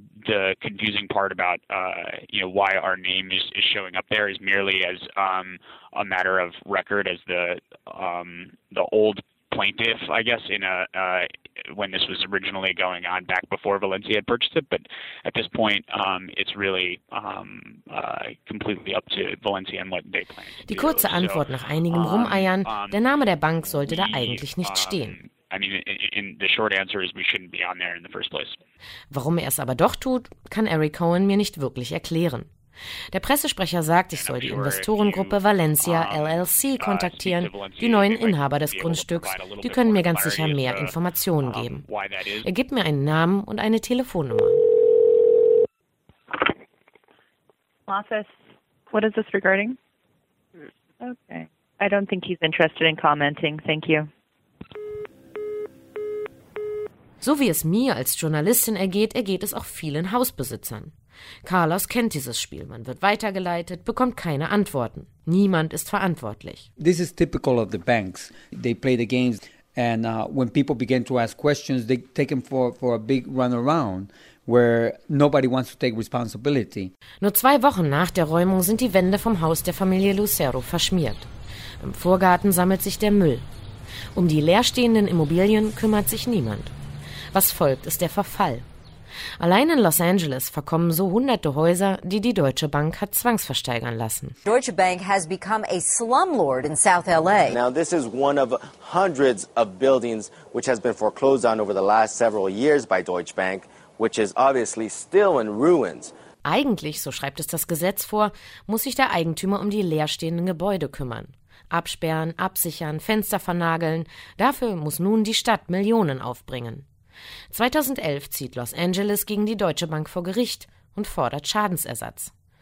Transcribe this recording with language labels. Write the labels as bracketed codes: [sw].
[en] The confusing part about why our name is showing up there is merely as a matter of record, as the old plaintiff, I guess, in a when this was originally going on back before Valencia had purchased it. But at this point, it's really completely up to Valencia and what they plan. [de] Die kurze Antwort nach einigem Rumeiern: Der Name der Bank sollte da eigentlich nicht stehen. [en] I mean, in the short answer is we shouldn't be on there in the first place. [de] Warum er es aber doch tut, kann Eric Cohen mir nicht wirklich erklären. Der Pressesprecher sagt, ich soll die Investorengruppe Valencia LLC kontaktieren, die neuen Inhaber des Grundstücks. Die können mir ganz sicher mehr Informationen geben. Er gibt mir einen Namen und eine Telefonnummer. [en] Office, what is this regarding? Okay, I don't think he's interested in commenting. Thank you. [de] So wie es mir als Journalistin ergeht, ergeht es auch vielen Hausbesitzern. Carlos kennt dieses Spiel. Man wird weitergeleitet, bekommt keine Antworten. Niemand ist verantwortlich. [en] This is typical of the banks. They play the games, and when people begin to ask questions, they take them for a big run around. Where nobody wants to take responsibility. [de] Nur 2 Wochen nach der Räumung sind die Wände vom Haus der Familie Lucero verschmiert. Im Vorgarten sammelt sich der Müll. Um die leerstehenden Immobilien kümmert sich niemand. Was folgt, ist der Verfall. Allein in Los Angeles verkommen so hunderte Häuser, die die Deutsche Bank hat zwangsversteigern lassen. [en] Deutsche Bank has become a slumlord in South LA. Now this is one of hundreds of buildings which has been foreclosed on over the last several years by Deutsche Bank. Which is obviously still in ruins. [de] Eigentlich, so schreibt es das Gesetz vor, muss sich der Eigentümer um die leerstehenden Gebäude kümmern. Absperren, absichern, Fenster vernageln. Dafür muss nun die Stadt Millionen aufbringen. 2011 zieht Los Angeles gegen die Deutsche Bank vor Gericht und fordert Schadensersatz.